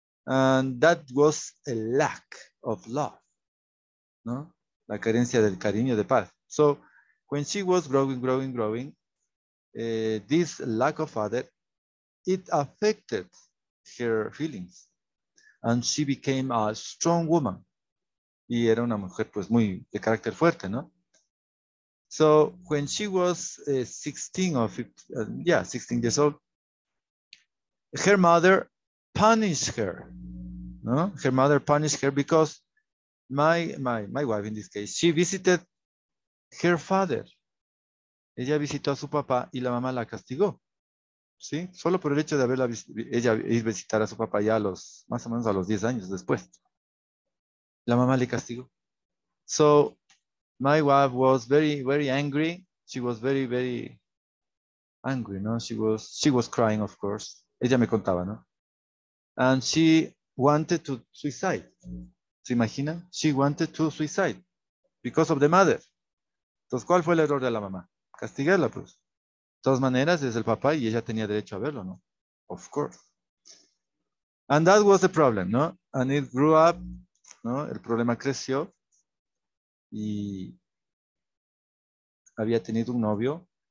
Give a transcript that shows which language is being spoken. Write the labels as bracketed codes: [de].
[en] And that was a lack of love, no? [es] La carencia del cariño de padre. [en] So when she was growing, this lack of father, it affected her feelings. And she became a strong woman. [es] Y era una mujer, pues, muy de carácter fuerte, ¿no? [en] So when she was 16 years old, her mother punished her. No? Her mother punished her because my wife, in this case, she visited her father. [es] Ella visitó a su papá y la mamá la castigó. ¿Sí? Solo por el hecho de haberla visitar a su papá ya más o menos a los 10 años después. La mamá le castigó. [en] So my wife was very, very angry. She was very, very angry, ¿no? She was crying, of course. [es] Ella me contaba, ¿no? [en] And she wanted to suicide. [es] ¿Se imagina? [en] She wanted to suicide because of the mother. [es] Entonces, ¿cuál fue el error de la mamá? Castigarla, pues. De todas maneras, es el papá y ella tenía derecho a verlo, ¿no? [en] Of course. And that was the problem, ¿no? And it grew up, ¿no? [es] El problema creció y había tenido un novio.